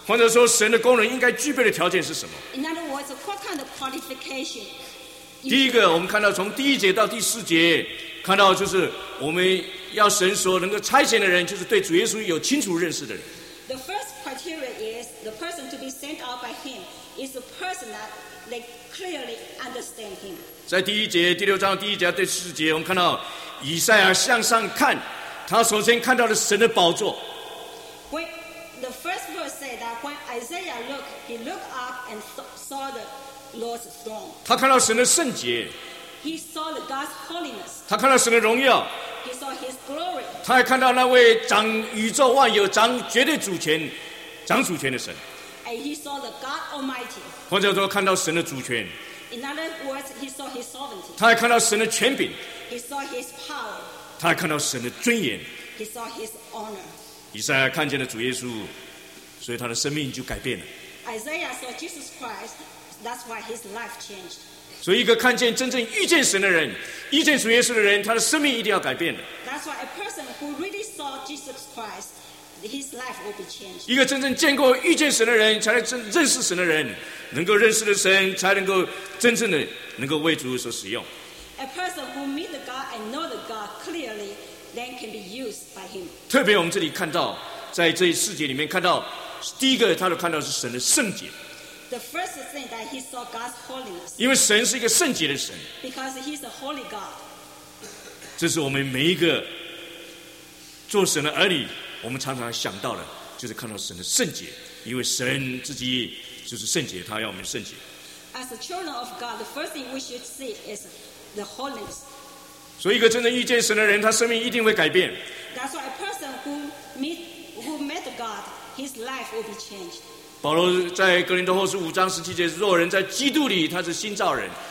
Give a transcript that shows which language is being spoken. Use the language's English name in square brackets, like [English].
[Chinese] 或者说，神的工人应该具备的条件是什么 [English] ？In other words, what kind of qualification? [Chinese] 第一个，我们看到从第一节到第四节，看到就是我们要神所能够差遣的人，就是对主耶稣有清楚认识的人。 [English] The first criteria is the person to be sent out by Him is the person that. They clearly understand him. [Chinese] 在第一节第六章第一节第四节，我们看到以赛亚向上看，他首先看到了神的宝座。 [English] When the first verse said that when Isaiah looked, he looked up and saw the Lord's throne. [Chinese] 他看到神的圣洁。 [English] He saw the God's holiness. [Chinese] 他看到神的荣耀。 [English] He saw His glory. [Chinese] 他还看到那位掌宇宙万有、掌绝对主权、掌主权的神。 [English] And he saw the God Almighty. [Chinese] 或者说看到神的主权。 [English] In other words, he saw his sovereignty. [Chinese] 他还看到神的权柄。 [English] He saw his power. [Chinese] 他还看到神的尊严。 [English] He saw his honor. [Chinese] 以赛亚看见了主耶稣，所以他的生命就改变了。 [English] Isaiah saw Jesus Christ, that's why his life changed. [Chinese] 所以一个看见真正遇见神的人，遇见主耶稣的人，他的生命一定要改变的。 [English] That's why a person who really saw Jesus Christ, his life will be changed. [Chinese] 一个真正见过、遇见神的人，才能认识神的人，能够认识的神，才能够真正的能够为主所使用。 [English] A person who meet the God and know the God clearly, then can be used by him. [Chinese] 特别我们这里看到，在这一世界里面看到，第一个他都看到是神的圣洁。 [English] The first thing that he saw God's holiness. [Chinese] 因为神是一个圣洁的神。 [English] Because he's a holy God. [Chinese] 这是我们每一个做神的儿女，我们常常想到的，就是看到神的圣洁，因为神自己就是圣洁，他要我们圣洁。 [English] As the children of God, the first thing we should see is the holiness. [Chinese] 所以，一个真正遇见神的人，他生命一定会改变。 [English] That's why a person who met God, his life will be changed. [Chinese] 保罗在哥林多后书5章17节，若人在基督里，他是新造人。